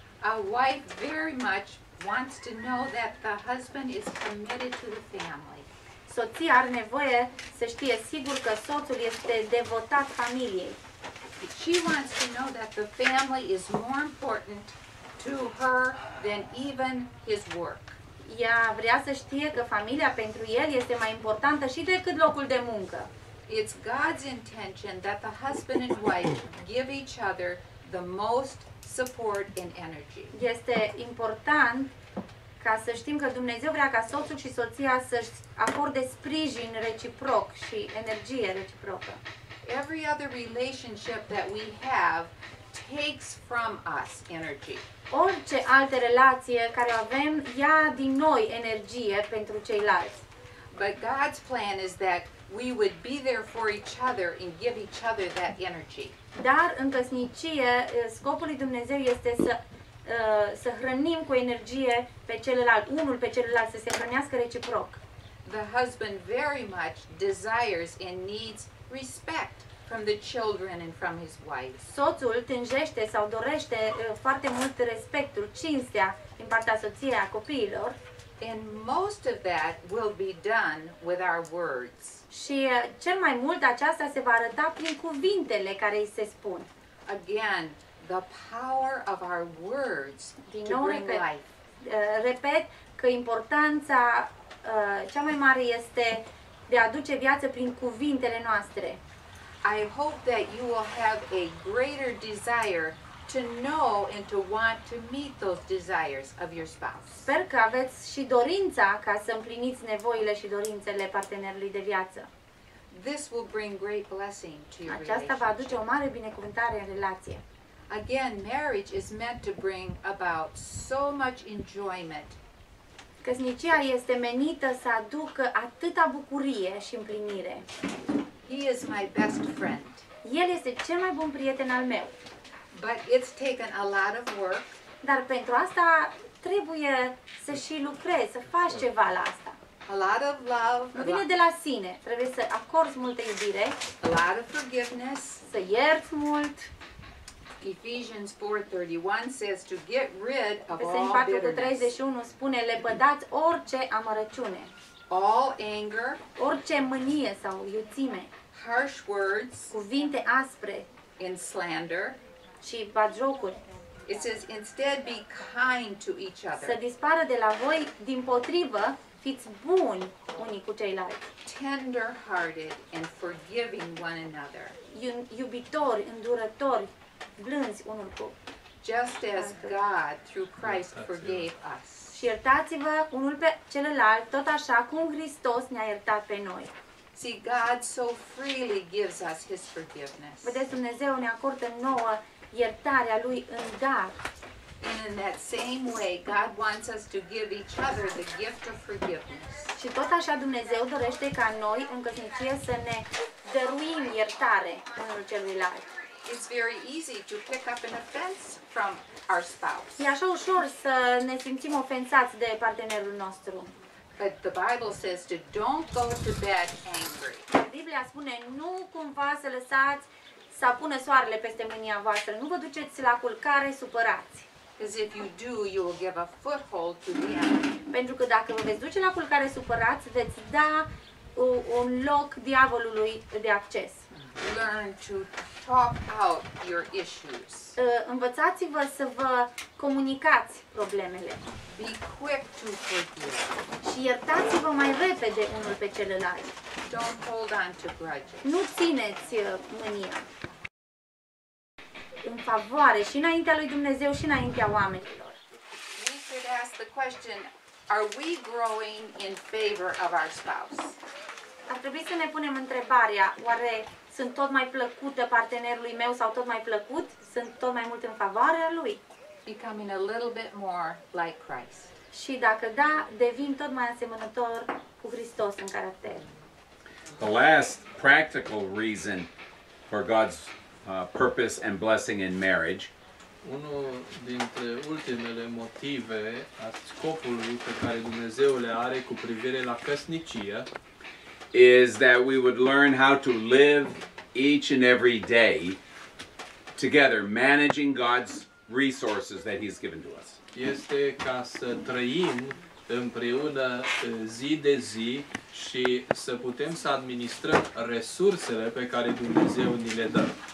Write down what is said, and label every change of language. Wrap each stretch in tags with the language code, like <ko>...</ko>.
<en>A wife very much wants to know that the husband is committed to the family.</en> <ro>Soția are nevoie să știe sigur că soțul este devotat familiei.</ro> <en>She wants to know that the family is more important to her than even his work.</en> <ro>Ea vrea să știe că familia pentru el este mai importantă și decât locul de muncă.</ro> <en>It's God's intention that the husband and wife give each other the most support and energy.</en> <ro>Este important ca să știm că Dumnezeu vrea ca soțul și soția să-și acorde sprijin reciproc și energie reciprocă.</ro> <en>Every other relationship that we have takes from us energy.</en> <ro>Orice alte relație care avem ia din noi energie pentru ceilalți.</ro> <en>But God's plan is that we would be there for each other and give each other that energy.</en> <ro>Dar în căsnicie, scopul lui Dumnezeu este să hrănim cu energie pe celălalt, unul pe celălalt, să se hrănească reciproc.</ro> <en>The husband very much desires and needs respect from the children and from his wife.</en> <ro>Soțul tânjește sau dorește foarte mult respectul, cinstea din partea soției, a copiilor.</ro> <en>And most of that will be done with our words.</en> <ro>Și cel mai mult aceasta se va arăta prin cuvintele care îi se spun.</ro> <en>Again, the power of our words</en> <ro>din nou,</ro> <en>to bring</en> <ro>repet,</ro> <en>life.</en> <ro>Repet că importanța cea mai mare este de a aduce viață prin cuvintele noastre.</ro> <en>I hope that you will have a greater desire to know and to want to meet those desires of your spouse.</en> <ro>Sper că aveți și dorința ca să împliniți nevoile și dorințele partenerului de viață.</ro> <en>This will bring great blessing to your relationship.</en> <ro>Aceasta va aduce o mare binecuvântare în relație.</ro> <en>Again, marriage is meant to bring about so much enjoyment.</en> <ro>Căsnicia este menită să aducă atâta bucurie și împlinire.</ro> <en>He is my best friend.</en> <ro>El este cel mai bun prieten al meu.</ro> <en>But it's taken a lot of work.</en> <ro>Dar pentru asta trebuie să și lucrezi, să faci ceva la asta.</ro> <en>A lot of love.</en> <ro>Nu vine de la sine. Trebuie să acorzi multă iubire.</ro> <en>A lot of forgiveness.</en> <ro>Să ierți mult.</ro> <en>Ephesians 4:31 says to get rid of all bitterness.</en> <ro>Efeseni 4:31 spune lepădați orice amărăciune.</ro> <en>All anger.</en> <ro>Orice mânie sau iuțime.</ro> <en>Harsh words.</en> <ro>Cuvinte aspre.</ro> <en>And slander.</en> <ro>Și batjocuri.</ro> <en>It says instead be kind to each other.</en> <ro>Să dispară de la voi, dimpotrivă, fiți buni unii cu ceilalți.</ro> <en>Tender hearted and forgiving one another.</en> <ro>Iubitori, îndurători, blânzi unul cu.</ro> <en>Just as God through Christ forgave us.</en> <ro>Și iertați-vă unul pe celălalt, tot așa cum Hristos ne-a iertat pe noi.</ro> <en>See, God so freely gives us his forgiveness.</en> <ro>Vedeți, Dumnezeu ne acordă nouă iertarea lui în dar.</ro> <en>And in that same way, God wants us to give each other the gift of forgiveness.</en> <ro>Și tot așa Dumnezeu dorește ca noi în căsnicie să ne dăruim iertare unul celuilalt.</ro> <en>It's very easy to pick up an offense from our spouse.</en> <ro>E așa ușor să ne simțim ofensați de partenerul nostru.</ro> <en>But the Bible says to don't go to bed angry.</en> <ro>Biblia spune nu cumva să lăsați să apună soarele peste mânia voastră. Nu vă duceți la culcare supărați.</ro> <en>Because if you do, you will give a foothold to the enemy.</en> <ro>Pentru că dacă vă veți duce la culcare supărați, veți da un loc diavolului de acces.</ro> <en>Learn to talk out your issues.</en> <ro>Învățați-vă să vă comunicați problemele.</ro> <en>Be quick to forgive.</en> <ro>Și iertați-vă mai repede unul pe celălalt.</ro> <en>Don't hold on to grudges.</en> <ro>Nu țineți mânia. În favoare și înaintea lui Dumnezeu și înaintea oamenilor.</ro> <en>We should ask the question, are we growing in favor of our spouse?</en> <ro>Ar trebui să ne punem întrebarea, oare sunt tot mai plăcută partenerului meu sau tot mai plăcut? Sunt tot mai mult în favoarea lui?</ro> <en>Becoming a little bit more like Christ.</en> <ro>Și dacă da, devin tot mai asemănător cu Hristos în caracter.</ro> <en>The last practical reason for God's purpose and blessing in marriage.</en> <ro>Unul dintre ultimele motive a scopului pe care Dumnezeu le are cu privire la căsnicie</ro> <en>is that we would learn how to live each and every day together managing God's resources that He's given to us.</en> <ro>Este ca să trăim împreună zi de zi și să putem să administrăm resursele pe care Dumnezeu ni le dă.</ro>